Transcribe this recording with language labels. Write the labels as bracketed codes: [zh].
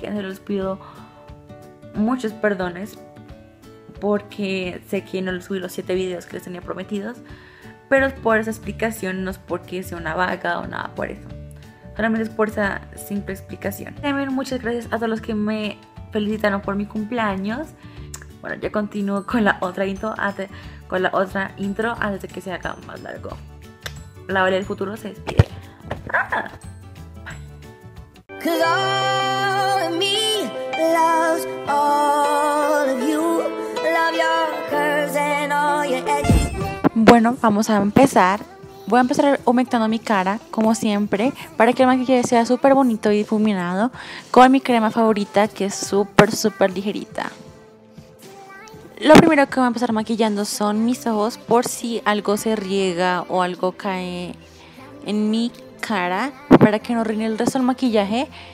[es] Se los pido muchos perdones porque sé que no les subí los 7 videos que les tenía prometidos, pero es por esa explicación, no es porque sea una vaga o nada por eso. Solamente es por esa simple explicación. También muchas gracias a todos los que me felicitaron por mi cumpleaños. Bueno, ya continúo con la otra intro, antes de que se haga más largo. La Valeria del futuro se despide. ¡Ah! [en] Cause all of me loves all of you. Love your curves and all your edges. [es] Bueno, vamos a empezar. Voy a empezar humectando mi cara, como siempre, para que el maquillaje sea súper bonito y difuminado, con mi crema favorita, que es súper, súper ligerita. Lo primero que voy a empezar maquillando son mis ojos, por si algo se riega o algo cae en mi cara, para que no rine el resto del maquillaje.